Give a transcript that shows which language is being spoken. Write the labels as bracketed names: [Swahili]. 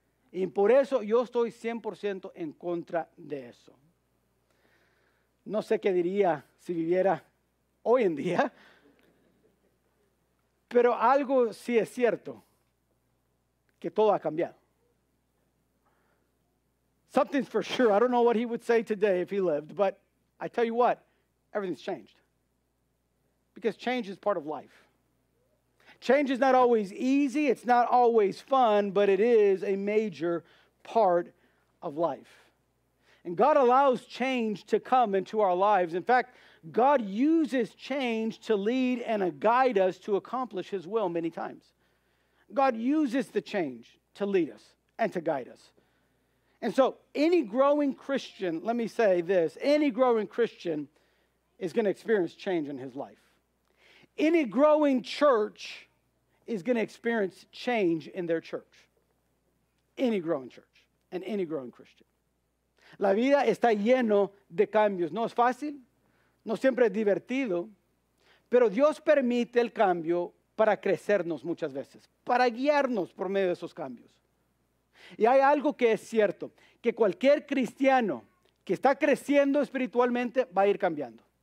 [Spanish] Y por eso yo estoy 100% en contra de eso." No sé qué diría si viviera hoy en día. Pero algo sí es cierto, que todo ha cambiado. [English] Something's for sure. I don't know what he would say today if he lived, but I tell you what, everything's changed. Because change is part of life. Change is not always easy, it's not always fun, but it is a major part of life. And God allows change to come into our lives. In fact, God uses change to lead and guide us to accomplish His will many times. God uses the change to lead us and to guide us. And so any growing Christian, let me say this, any growing Christian is going to experience change in his life. Any growing church is going to experience change in their church. Any growing church and any growing Christian. [Spanish] La vida está lleno de cambios. No es fácil. No siempre es divertido, pero Dios permite el cambio para crecernos muchas veces, para guiarnos por medio de esos cambios. Y hay algo que es cierto, que cualquier cristiano que está creciendo espiritualmente va a ir cambiando.